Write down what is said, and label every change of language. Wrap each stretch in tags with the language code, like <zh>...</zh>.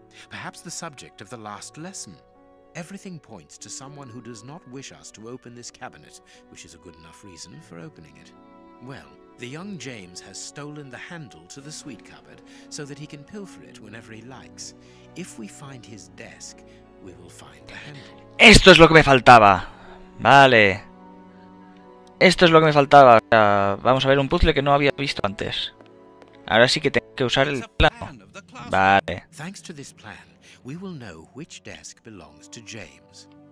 <en>Perhaps the subject of the last lesson. Everything points to someone who does not wish us to open this cabinet, which is a good enough reason for opening it. Well, the young James has stolen the handle to the sweet cupboard so that he can pilfer it whenever he likes. If we find his desk, we will find the handle.</en> <es>Esto es lo que me faltaba. Vale. Esto es lo que me faltaba. Vamos a ver un puzzle que no había visto antes. Ahora sí que tengo que usar el plano. Vale.</es> <en>Thanks to this plan, we will know which desk belongs to James.</en>